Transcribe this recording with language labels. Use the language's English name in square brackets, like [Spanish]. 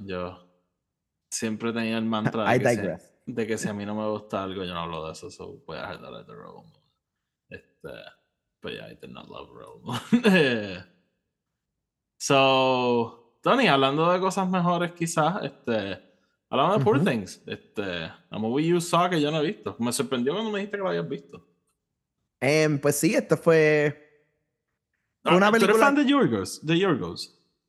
[Spanish] Yo siempre tenía el mantra de que si a mí no me gusta algo, yo no hablo de eso. So voy a dejar de hablar de Rebel Moon. [English] But yeah, I did not love Rebel Moon. [Spanish] So, Tony, hablando de cosas mejores, quizás, hablando de Poor Things. [English] A movie you saw [Spanish] que yo no he visto. Me sorprendió cuando me dijiste que lo habías visto. Pues sí, esto fue... Una película. ¿Tú eres fan de Yorgos?